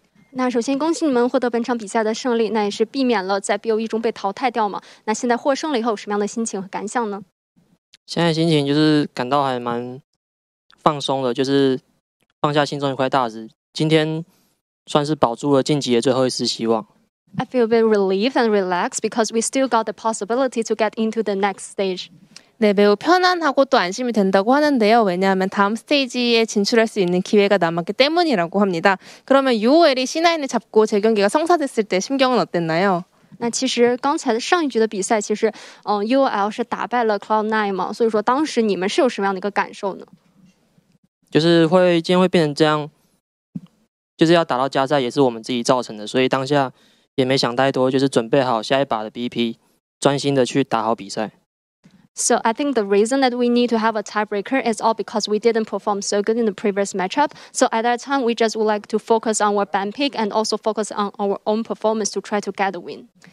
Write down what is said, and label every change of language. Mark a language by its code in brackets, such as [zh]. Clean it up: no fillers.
[zh] 那首先恭喜你们获得本场比赛的胜利，那也是避免了在 BO1 中被淘汰掉嘛。那现在获胜了以后，什么样的心情和感想呢？现在心情就是感到还蛮放松的，就是放下心中一块大石。今天算是保住了晋级的最后一丝希望。 [en] I feel a bit relieved and relaxed because we still got the possibility to get into the next stage. [ko] 네매우편안하고또안심이된다고하는데요왜냐하면다음스테이지에진출할수있는기회가남았기때문이라고합니다그러면 UOL 이 C9 을잡고재경기가성사됐을때심경은어땠나요 [zh] 那其实刚才上一局的比赛，其实UOL 是打败了 Cloud9 嘛，所以说当时你们是有什么样的一个感受呢？就是会今天会变成这样。就是要打到加赛也是我们自己造成的，所以当下也没想太多，就是准备好下一把的 BP， 专心的去打好比赛。 [en] So I think the reason that we need to have a tiebreaker is all because we didn't perform so good in the previous matchup. So at that time, we just would like to focus on our ban pick and also focus on our own performance to try to get a win.